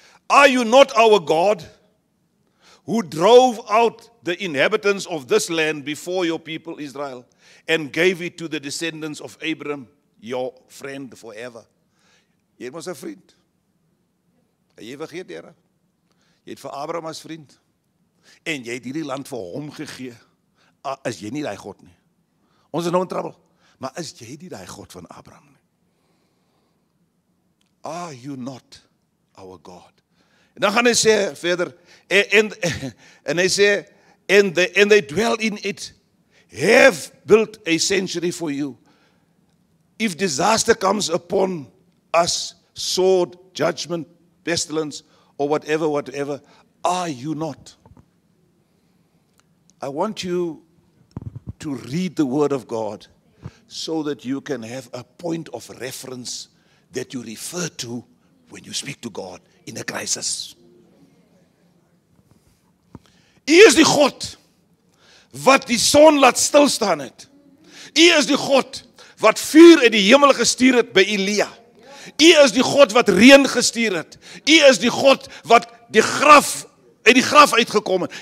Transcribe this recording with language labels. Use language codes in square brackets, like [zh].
[en] Are you not our God, who drove out the inhabitants of this land before your people Israel, and gave it to the descendants of Abraham, your friend forever? [af] Jy was 'n vriend. En jy vergeet, Here, jy het vir Abraham as vriend, en jy het hierdie land vir hom gegee, is jy nie die God nie? Ons is nou in trouble, maar is jy nie die God van Abraham nie? [en] Are you not our God? [af] En dan gaan hy sê verder, en hy sê, [en] and they dwell in it, have built a sanctuary for you. If disaster comes upon us, sword, judgment, pestilence, or whatever, are you not? I want you to read the word of God so that you can have a point of reference that you refer to when you speak to God in a crisis. [af] U is die God wat die son laat stilstaan het. U is die God wat vuur uit die hemel gestuur het by Elia. U is die God wat reën gestuur het. U is die God wat die graf uit die graf uitgekom het.